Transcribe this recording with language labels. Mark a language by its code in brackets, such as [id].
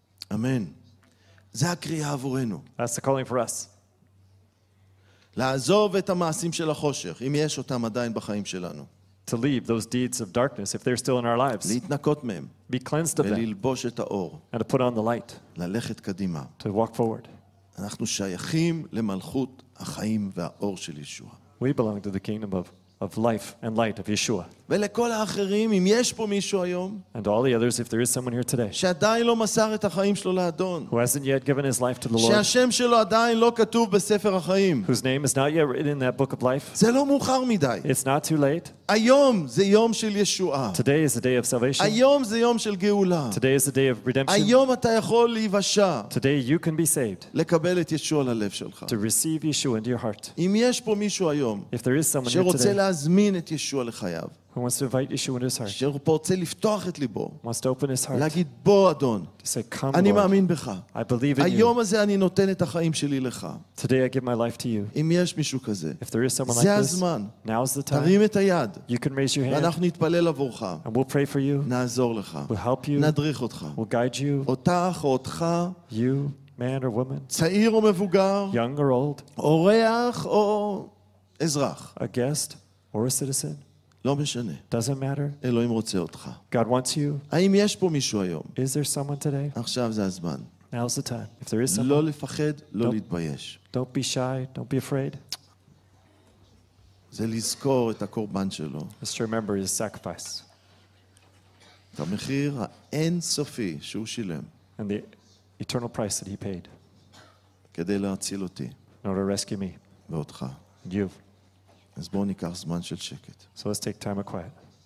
[he] Amen. זה הקריאה עבורנו. [en] That's the calling for us. [he] לעזוב את המעשים של החושך, אם יש אותם עדיין בחיים שלנו. [en] To leave those deeds of darkness if they're still in our lives. [he] להתנקות מהם. [en] Be cleansed of them. [he] וללבוש את האור. [en] And to put on the light. [he] ללכת קדימה. [en] To walk forward. [he] אנחנו שייכים למלכות החיים והאור של ישוע. [en] We belong to the kingdom of life and light of Yeshua. [he] ולכל האחרים, אם יש פה מישהו היום. [en] And to all the others, if there is someone here today. [he] שעדיין לא מסר את החיים שלו לאדון. [en] Who hasn't yet given his life to the Lord. [he] שהשם שלו עדיין לא כתוב בספר החיים. [en] Whose name is not yet written in that book of life. [he] זה לא מאוחר מדי. [en] It's not too late. [he] היום זה יום של ישועה. [en] Today is the day of salvation. [he] היום זה יום של גאולה. [en] Today is the day of redemption. [he] היום אתה יכול להיוושע. [en] Today you can be saved. [he] לקבל את ישוע ללב שלך. [en] To receive Yeshua into your heart. [he] אם יש פה מישהו היום. [en] If there is someone here today. [he] להזמין את ישוע לחייו. [en] Who wants to invite Yeshua into his heart. [he] שהוא רוצה לפתוח את ליבו. [en] Wants to open his heart. [he] להגיד בוא אדון. [en] To say come [he] אני מאמין בך. [en] I believe in you. [he] היום הזה אני נותן את החיים שלי לך. [en] Today I give my life to you. [he] אם יש מישהו כזה. [en] If there is someone like this. [he] זה הזמן. [en] Now is the time. [he] תרים את היד. [en] You can raise your hand. [he] ואנחנו נתפלל עבורך. [en] And we'll pray for you. [he] נעזור לך. [en] We'll help you. [he] נדריך אותך. [en] We'll guide you. [he] אותך או אותך. [en] You, man or woman. [he] צעיר או מבוגר. [en] Young or old. [he] אורח או אזרח. [en] A guest or a citizen. [he] לא משנה. [en] Doesn't matter. [he] אלוהים רוצה אותך. [en] God wants you. [he] האם יש פה מישהו היום? [en] Is there someone today? [he] עכשיו זה הזמן. [en] Now's the time. If there is someone. [he] לא לפחד, לא להתבייש. [en] Don't be shy, don't be afraid. [he] זה לזכור את הקורבן שלו. [en] Just to remember his sacrifice. [he] את המחיר האינסופי שהוא שילם. [en] And the eternal price that he paid. [he] כדי להציל אותי. [en] In order to rescue me. [he] ואותך. [en] You. [he] אז בואו ניקח זמן של שקט. [en] So let's take time of quiet.